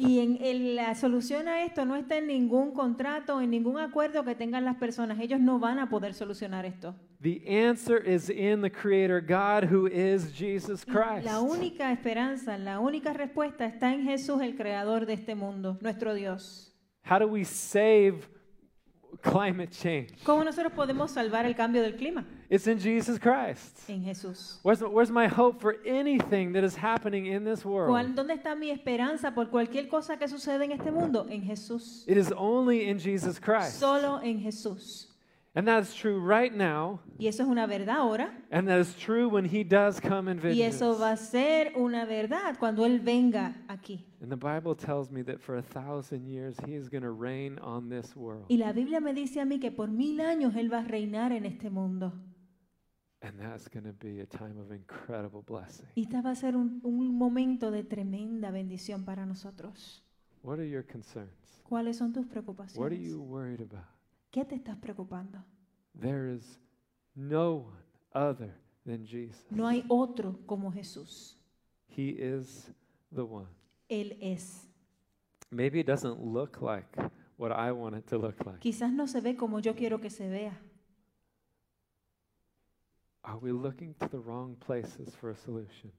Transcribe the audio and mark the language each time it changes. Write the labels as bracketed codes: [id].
[es] Y en la solución a esto no está en ningún contrato, en ningún acuerdo que tengan las personas. Ellos no van a poder solucionar esto. [en] The answer is in the Creator God who is Jesus Christ. [es] La única esperanza, la única respuesta está en Jesús, el creador de este mundo, nuestro Dios. [en] How do we save climate change? [es] ¿Cómo nosotros podemos salvar el cambio del clima? [en] It's in Jesus Christ. [es] En Jesús. [en] Where's my hope for anything that is happening in this world? [es] ¿Dónde está mi esperanza por cualquier cosa que sucede en este mundo? En Jesús. [en] It is only in Jesus Christ. [es] Solo en Jesús. [en] And that's true right now. [es] Y eso es una verdad ahora. [en] And that is true when he does come in vengeance. [es] Y eso va a ser una verdad cuando él venga aquí. [en] And the Bible tells me that for 1,000 years he is going to reign on this world. [es] Y la Biblia me dice a mí que por 1,000 años él va a reinar en este mundo. [en] And that's going to be a time of incredible blessing. [es] Y esta va a ser un momento de tremenda bendición para nosotros. [en] What are your concerns? [es] ¿Cuáles son tus preocupaciones? [en] What are you worried about? [es] ¿Qué te estás preocupando? [en] There is no one other than Jesus. [es] No hay otro como Jesús. [en] He is the one. [es] Él es. [en] Maybe it doesn't look like what I want it to look like. [es] Quizás no se ve como yo quiero que se vea. [en] Are we looking to the wrong places for a solution?